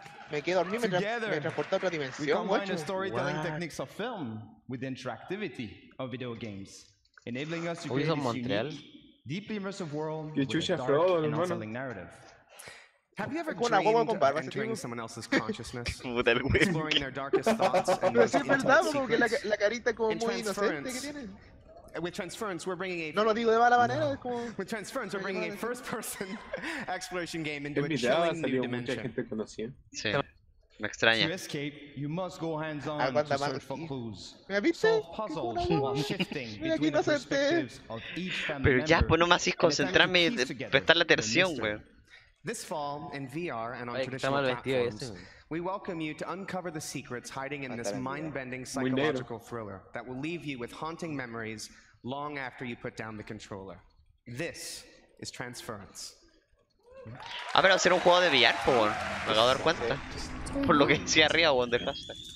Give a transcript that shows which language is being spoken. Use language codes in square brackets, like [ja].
[es] Me quedo dormido me transporta a otra dimensión. [en] We combine the storytelling techniques of film with the interactivity of video games. Enabling us to create this unique, deeply immersive world with a dark and unsettling narrative. Have you ever dreamed of entering someone else's consciousness? Exploring their darkest thoughts and their intimate secrets? With Transference, we're bringing a... [es] No lo digo de mala manera, es como... [en] With Transference, we're bringing a first-person exploration game into a chilling new dimension. [es] Sí. Me extraña. [en] To escape, you must go hands-on to search for clues. [es] ¿Me viste? [en] Solve puzzles while shifting between the perspectives of each family member. [es] Pero ya, pues no me haces concentrarme y prestar la atención, güey. [en] This fall, in VR and on traditional platforms, we welcome you to uncover the secrets hiding in this mind-bending psychological thriller that will leave you with haunting memories long after you put down the controller. This is Transference. [es] A ver, hacer un juego de VR, por favor. Me acabo de dar cuenta. Por lo que decía arriba, weón, de Faster.